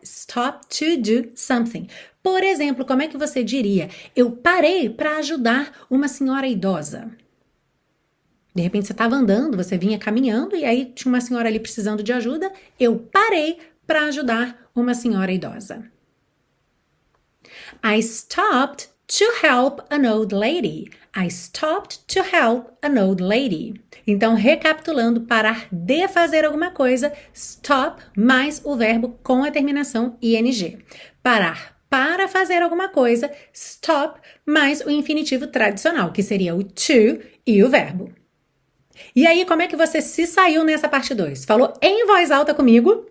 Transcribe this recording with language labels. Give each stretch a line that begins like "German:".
English: Stop to do something.
Portuguese: Por exemplo, como é que você diria? Eu parei para ajudar uma senhora idosa. De repente você estava andando, você vinha caminhando e aí tinha uma senhora ali precisando de ajuda. Eu parei para ajudar uma senhora idosa.
English: I stopped to help an old lady. I stopped to help an old lady.
Portuguese: Então, recapitulando, parar de fazer alguma coisa, stop mais o verbo com a terminação ing. Parar para fazer alguma coisa, stop mais o infinitivo tradicional, que seria o to e o verbo. E aí, como é que você se saiu nessa parte 2? Falou em voz alta comigo?